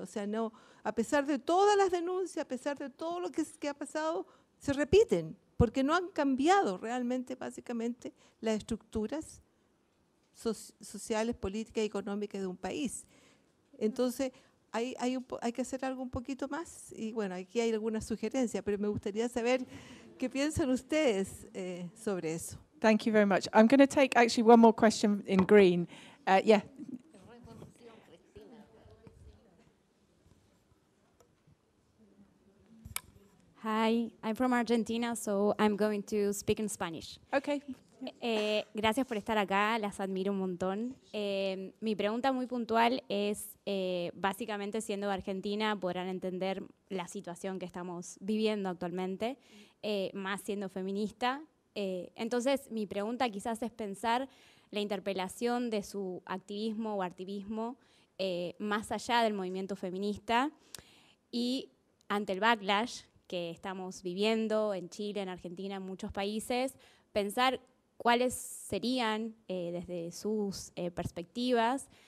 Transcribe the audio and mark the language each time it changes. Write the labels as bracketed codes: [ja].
[es] O sea, no, a pesar de todas las denuncias, a pesar de todo lo que ha pasado, se repiten, porque no han cambiado realmente, básicamente, las estructuras sociales, políticas y económicas de un país. Entonces, hay que hacer algo un poquito más, y bueno, aquí hay alguna sugerencia, pero me gustaría saber qué piensan ustedes sobre eso. [en] Thank you very much. I'm going to take actually one more question in green. Yeah. Hi, I'm from Argentina, so I'm going to speak in Spanish. Okay. [es] Gracias por estar acá, las admiro un montón. Mi pregunta muy puntual es, básicamente siendo de Argentina, podrán entender la situación que estamos viviendo actualmente, más siendo feminista. Entonces, mi pregunta quizás es pensar la interpelación de su activismo o activismo más allá del movimiento feminista y ante el backlash que estamos viviendo en Chile, en Argentina, en muchos países, pensar cuáles serían, desde sus perspectivas,